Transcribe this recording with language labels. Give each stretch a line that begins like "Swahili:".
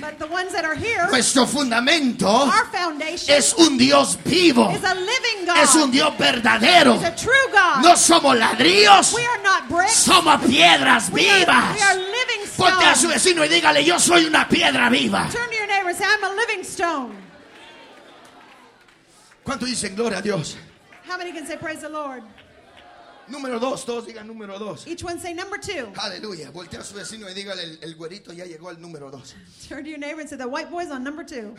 English: but the ones that are here,
Spanish: nuestro fundamento
English: our foundation
Spanish: es un Dios vivo
English: is a living God.
Spanish: Es un Dios verdadero
English: is a true God.
Spanish: No somos ladrillos.
English: We are not bricks.
Spanish: Somos piedras vivas.
English: We are living stones.
Spanish: Ponte a su vecino y dígale yo soy una piedra viva.
English: Turn to your neighbor and say I'm a living stone.
Spanish: ¿Cuánto dicen gloria a Dios?
English: How many can say praise the Lord?
Spanish: Número dos, todos digan número dos.
English: Each one say number two.
Spanish: Aleluya, voltea a su vecino y dígale el güerito ya llegó al número dos.
English: Turn to your neighbor and say the white boy's on number two.